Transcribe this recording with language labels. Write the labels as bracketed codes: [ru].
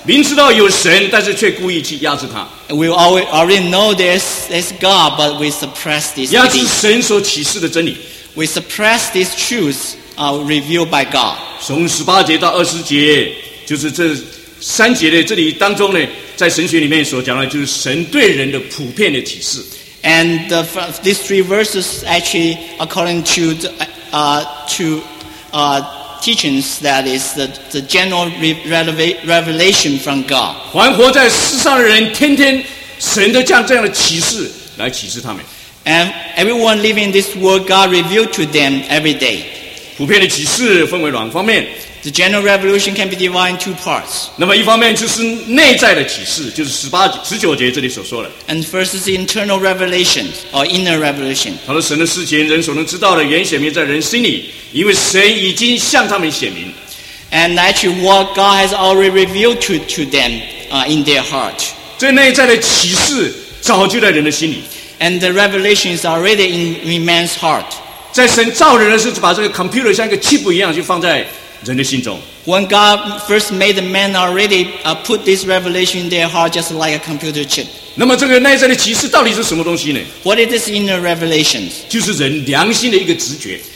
[zh] 明知道有神，但是却故意去压制他。 [en] We already know there's God, but we suppress this. [zh] 压制神所启示的真理。 [en] We suppress this truth revealed by God. [zh] 从十八节到二十节，就是这三节的这里当中呢，在神学里面所讲的，就是神对人的普遍的启示。 [en] And these three verses actually according to teachings that is the general revelation from God. [zh] 还活在世上的人，天天神都将这样的启示来启示他们。 [en] And everyone living in this world, God revealed to them every day. [zh] 普遍的启示分为两方面。 [en] The general revelation can be divided into parts. [zh] 那么一方面就是内在的启示，就是十八节、十九节这里所说的。 [en] And first is internal revelation or inner revelation. [zh] 他说神的事情，人所能知道的，原显明在人心里，因为神已经向他们显明。 [en] And actually, what God has already revealed to them, in their heart. [zh] 这内在的启示早就在人的心里。 [en] And the revelation is already in man's heart. [zh] 在神造人的时候，把这个 computer 像一个 chip 一样就放在。人的心中。 [en] When God first made the man already put this revelation in their heart just like a computer chip. [zh] 那么这个内在的启示到底是什么东西呢？ [en] What is this inner revelation? [zh] 就是人良心的一个直觉。